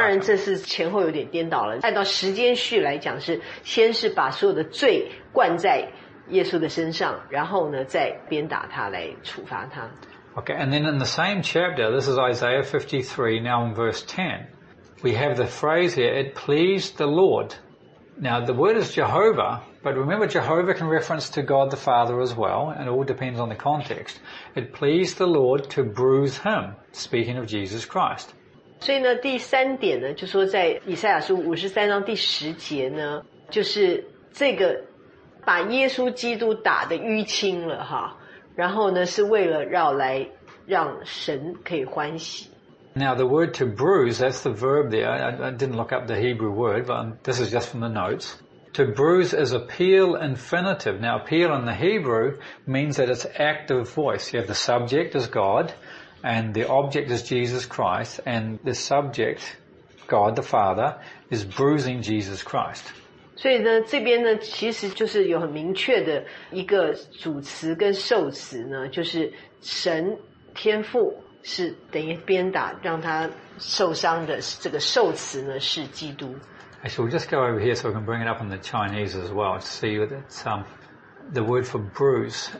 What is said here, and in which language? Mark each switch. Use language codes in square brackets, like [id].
[zh] 当然这是前后有点颠倒了，按照时间序来讲是先是把所有的罪灌在耶稣的身上，然后呢，再鞭打他来处罚他。 [en] Okay, and then in the same chapter, this is Isaiah 53, now in verse 10, we have the phrase here, it pleased the Lord. Now, the word is Jehovah, but remember Jehovah can reference to God the Father as well, and it all depends on the context. It pleased the Lord to bruise him, speaking of Jesus Christ. [zh] 所以呢，第三点呢，就说在以赛亚书53:10呢，就是这个把耶稣基督打得淤青了哈，然后呢是为了要来让神可以欢喜。 [en] Now the word to bruise, that's the verb there. I didn't look up the Hebrew word, but this is just from the notes. To bruise is appeal infinitive. Now appeal in the Hebrew means that it's active voice. You have the subject is God, and the object is Jesus Christ, and the subject, God the Father, is bruising Jesus Christ. [zh] 所以呢，这边呢，其实就是有很明确的一个主词跟受词呢，就是神天父是等于鞭打让他受伤的这个受词呢是基督。 [en] Actually, we'll just go over here so we can bring it up in the Chinese as well to see that the word for bruise.